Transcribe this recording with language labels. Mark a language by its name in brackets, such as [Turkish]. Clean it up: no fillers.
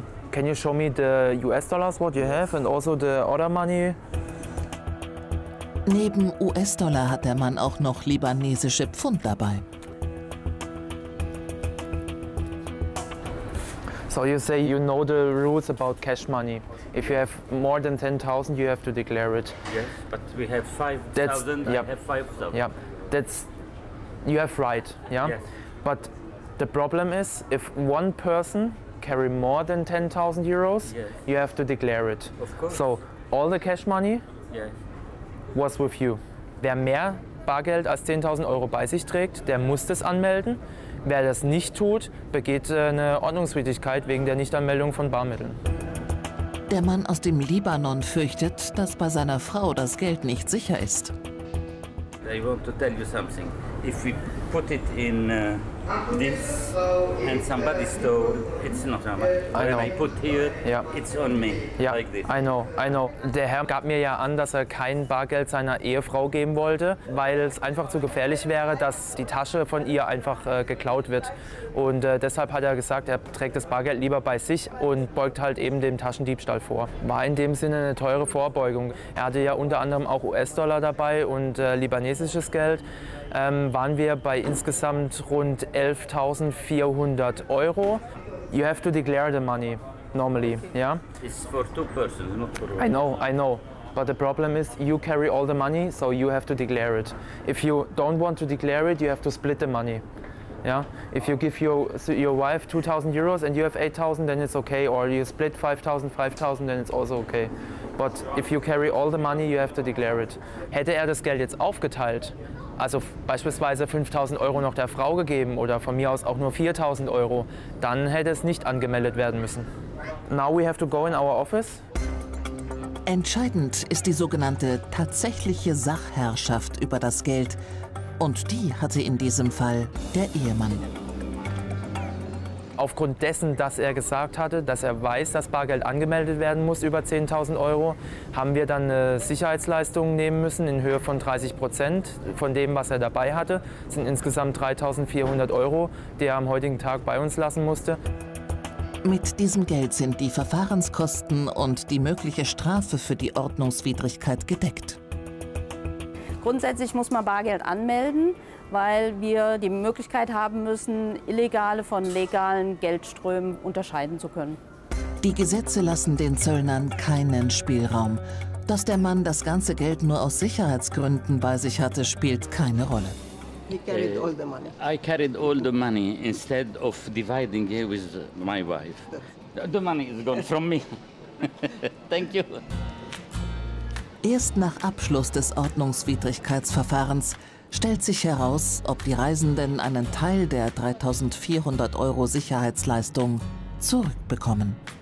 [English] Can you show me the US dollars, what you have, and also the other money? [German] Neben US-Dollar hat der Mann auch noch libanesische Pfund dabei. [English] So you say you know the rules about cash money. If you have more than 10.000, you have to declare it. Yes, but we have 5,000. I have 5,000. Yeah, that's you have right. Yeah. Yes. But the problem is if one person carry more than 10.000 euros, you have to declare it. Of course. So all the cash money was with you. [German] Wer mehr Bargeld als 10.000 Euro bei sich trägt, der muss das anmelden. Wer das nicht tut, begeht eine Ordnungswidrigkeit wegen der Nichtanmeldung von Barmitteln. Der Mann aus dem Libanon fürchtet, dass bei seiner Frau das Geld nicht sicher ist. [English] I want to tell you something. If we put it in this and somebody stole, it's not on me. I know. When I put here, it's on me. Yeah. Like this. I know. [German] Der Herr gab mir ja an, dass er kein Bargeld seiner Ehefrau geben wollte, weil es einfach zu gefährlich wäre, dass die Tasche von ihr einfach geklaut wird. Und deshalb hat er gesagt, er trägt das Bargeld lieber bei sich und beugt halt eben dem Taschendiebstahl vor. War in dem Sinne eine teure Vorbeugung. Er hatte ja unter anderem auch US-Dollar dabei und libanesisches Geld. Waren wir bei insgesamt rund 11.400 Euro. [English] You have to declare the money, normally, yeah? It's for two persons, not for one. I know. But the problem is, you carry all the money, so you have to declare it. If you don't want to declare it, you have to split the money. Yeah? If you give your wife 2.000 euros and you have 8.000, then it's okay. Or you split 5.000, 5.000, then it's also okay. But if you carry all the money, you have to declare it. [German] Hätte er das Geld jetzt aufgeteilt, also beispielsweise 5.000 Euro noch der Frau gegeben oder von mir aus auch nur 4.000 Euro, dann hätte es nicht angemeldet werden müssen. [English] Now we have to go in our office. [German] Entscheidend ist die sogenannte tatsächliche Sachherrschaft über das Geld. Und die hatte in diesem Fall der Ehemann. Aufgrund dessen, dass er gesagt hatte, dass er weiß, dass Bargeld angemeldet werden muss über 10.000 Euro, haben wir dann eine Sicherheitsleistung nehmen müssen in Höhe von 30% von dem, was er dabei hatte. Das sind insgesamt 3.400 Euro, die er am heutigen Tag bei uns lassen musste. Mit diesem Geld sind die Verfahrenskosten und die mögliche Strafe für die Ordnungswidrigkeit gedeckt. Grundsätzlich muss man Bargeld anmelden, weil wir die Möglichkeit haben müssen, illegale von legalen Geldströmen unterscheiden zu können. Die Gesetze lassen den Zöllnern keinen Spielraum. Dass der Mann das ganze Geld nur aus Sicherheitsgründen bei sich hatte, spielt keine Rolle. [English] He carried all the money. I carried all the money instead of dividing it with my wife. The money is gone from me. Thank you. [German] Erst nach Abschluss des Ordnungswidrigkeitsverfahrens stellt sich heraus, ob die Reisenden einen Teil der 3.400 Euro Sicherheitsleistung zurückbekommen.